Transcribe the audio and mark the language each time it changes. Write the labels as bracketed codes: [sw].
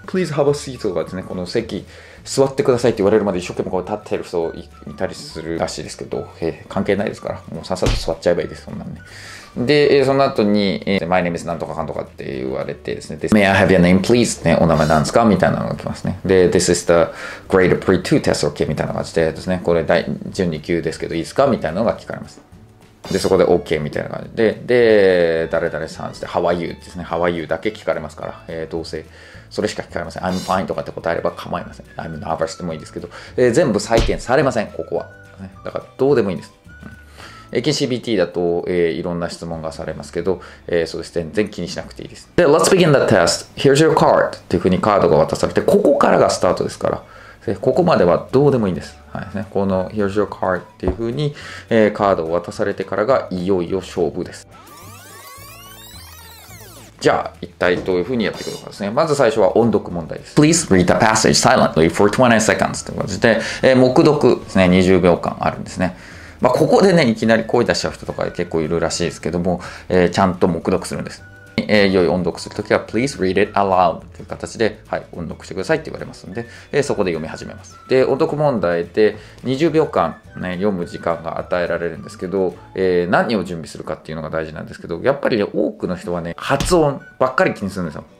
[en] Please have a seat [ja] とかですね、この席、座ってくださいって言われるまで一生懸命こう立ってる人を見たりするらしいですけど、関係ないですから、もうさっさと座っちゃえばいいです。そんなんね。で、その後に、 [en] My name is [ja] なんとかかんとかって言われてですね、で、 [en] May I have your name, please? [ja] ね、お名前なんですかみたいなのが来ますね。 [en] で、This is the grade pre-2 test, OK? [ja] みたいな感じでですね、これ第準2級ですけどいいですかみたいなのが聞かれます。で、そこで OK みたいな感じで、で、誰々さんって、 [en] How are you? [ja] ですね、 [en] How are you? [ja] だけ聞かれますから、どうせ、それしか聞かれません。 [en] I'm fine [ja] とかって答えれば構いません。 [en] I'm nervous [ja] でもいいですけど、全部採点されません、ここは。だから、どうでもいいんです。 HCBT だと、いろんな質問がされますけど、そうですね、全然気にしなくていいです。 [en] で、Let's begin the test. Here's your card. [ja] っていうふうにカードが渡されて、ここからがスタートですから、でここまではどうでもいいんです。はいね、この [en] Here's your card. [ja] っていうふうに、カードを渡されてからがいよいよ勝負です。じゃあ、一体どういうふうにやっていくのかですね。まず最初は音読問題です。 [en] Please read the passage silently for 20 seconds. [ja] って感じで、黙読ですね、20秒間あるんですね。まあ、ここでね、いきなり声出しちゃう人とか結構いるらしいですけども、ちゃんと黙読するんです。いよいよ音読するときは、 [en] Please read it aloud [ja] という形で、はい、音読してくださいって言われますので、そこで読み始めます。で、音読問題で20秒間、ね、読む時間が与えられるんですけど、何を準備するかっていうのが大事なんですけど、やっぱり、ね、多くの人はね、発音ばっかり気にするんですよ。